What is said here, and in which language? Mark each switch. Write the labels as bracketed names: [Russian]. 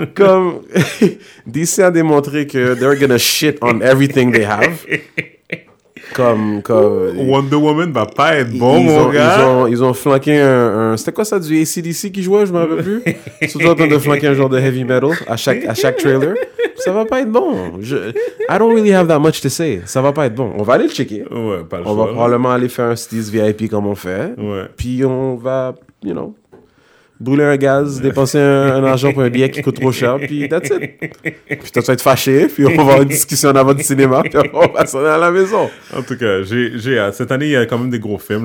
[French] Comme, DC a démontré que [English] they're gonna shit on everything they have. Comme [French] Wonder Woman va pas être bon, mon gars. Ils ont flanqué un c'était quoi ça, du AC/DC qui jouait, je me rappelle plus. Surtout en train de flanquer un genre de heavy metal à chaque trailer. Ça va pas être bon. [English] I don't really have that much to say. [French] Ça va pas être bon. On va aller le checker. Ouais, pas le on On va probablement aller faire un Steez VIP comme on fait. Ouais. Puis on va, [English] you know, [French] brûler un gaz, dépenser un argent pour un billet qui coûte trop cher, puis [English] that's it. [French] Puis toi, tu vas être fâché, puis on va avoir une discussion avant du cinéma, puis on va s'en aller à la maison. En tout cas, cette année, il y a quand même des gros films.